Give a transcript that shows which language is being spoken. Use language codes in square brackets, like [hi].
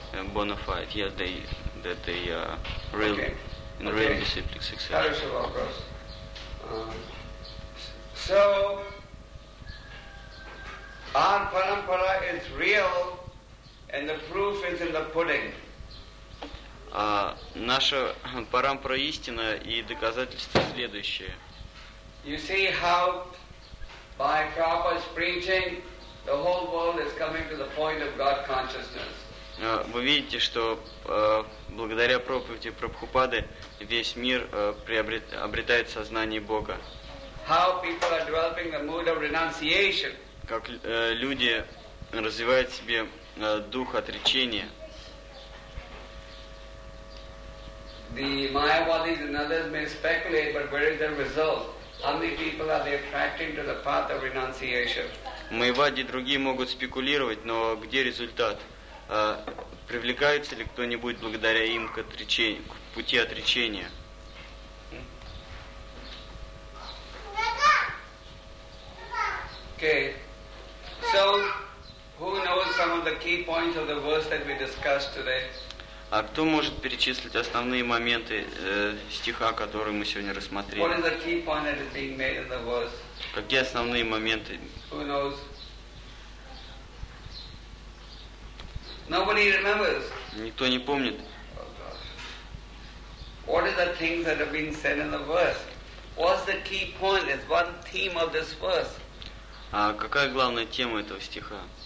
[en] and bona fide? Yes, they are real, okay. In okay. Real disciplic succession. That is a long so, our parampara is real and the proof is in the pudding. [ru] Наша парампара истина и доказательства следующие. [en] You see how by Prabhupada's preaching the whole world is coming to the point of God consciousness. [ru] Вы видите, что благодаря проповеди Прабхупады весь мир обретает сознание Бога. [en] How people are developing the mood of renunciation. [ru] Как люди развивают в себе дух отречения. [en] The Mayavadis and others may speculate, but where is the result? How many people are they attracting to the path of renunciation? [ru] Mayavadi и другие могут спекулировать, но где результат? Привлекается ли кто-нибудь благодаря им к отречению, к пути отречения? [en] Okay. So, who knows some of the key points of the verse that we discussed today? [ru] А кто может перечислить основные моменты стиха, которые мы сегодня рассмотрели? [en] What is the key point that is being made in the verse? [ru] Какие основные моменты? [en] Who knows? Nobody remembers. [ru] Никто не помнит. [en] Oh, what are the things that have been said in the verse? What's the key point? It's one theme of this verse. [ru] А какая главная тема этого стиха?